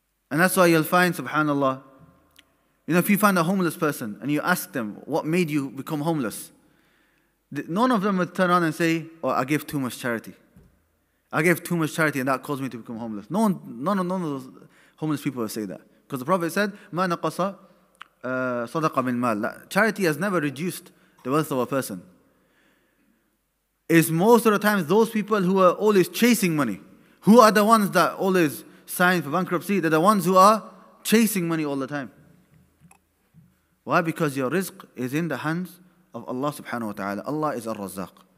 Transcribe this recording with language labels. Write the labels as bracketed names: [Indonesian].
[English] And that's why you'll find, subhanAllah, you know, if you find a homeless person and you ask them, what made you become homeless? None of them would turn around and say, oh, I gave too much charity. I gave too much charity and that caused me to become homeless. None of those homeless people would say that. Because the Prophet said, [Arabic] مَا نَقَصَ صَدَقَ مِنْ مَالِ. [English] Charity has never reduced the wealth of a person. It's most of the time those people who are always chasing money. Who are the ones that always signed for bankruptcy? They're the ones who are chasing money all the time. Why? Because your rizq is in the hands of Allah subhanahu wa ta'ala. Allah is ar-razzaq.